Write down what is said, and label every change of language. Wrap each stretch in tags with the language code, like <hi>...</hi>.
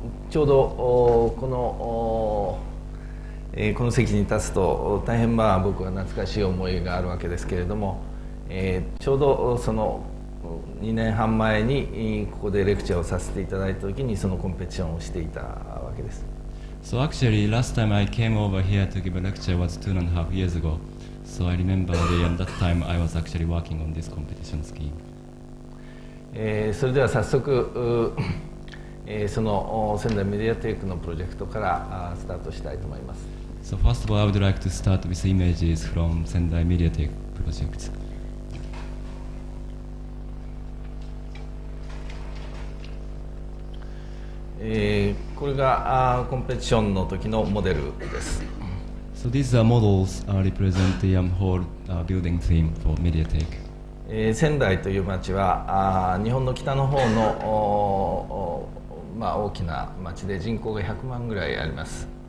<ja>ちょうどこの席に立つと大変僕は懐かしい思いがあるわけですけれども、ちょうどその2年半前にここでレクチャーをさせていただいたときにそのコンペティションをしていたわけです。</ja> <en>So actually, last time I came over here to give a lecture was 2.5 years ago. So I remember already, and that time I was actually working on this competition scheme.</en> <ja>それでは早速、その仙台メディアテイクのプロジェクトからスタートしたいと思います。</ja> <en>So first of all, I would like to start with images from 仙台メディアテイクプロジェクト。</en> <ja>これがコンペティションの時のモデルです。</ja> <en>So these are models represent the whole building theme for MediaTek.</en> <ja>仙台という町は日本の北の方の大きな町で人口が100万ぐらいあります。</ja>